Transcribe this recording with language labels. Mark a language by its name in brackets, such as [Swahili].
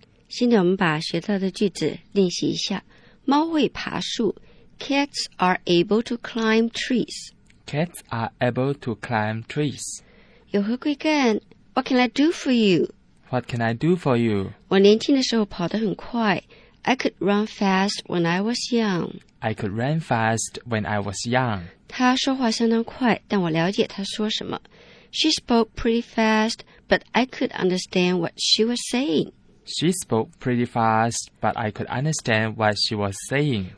[Chinese] 现在我们把学到的句子练习一下。猫会爬树。 [English] Cats are able to climb trees. Cats are able to climb trees. [Chinese] 有何贵干 [English] ？What can I do for you? What can I do for you? [Chinese] 我年轻的时候跑得很快。 [English] I could run fast when I was young. I could run fast when I was young. [Chinese] 她说话相当快，但我了解她说什么。 [English] She spoke pretty fast, but I could understand what she was saying. She spoke pretty fast, but I could understand what she was saying.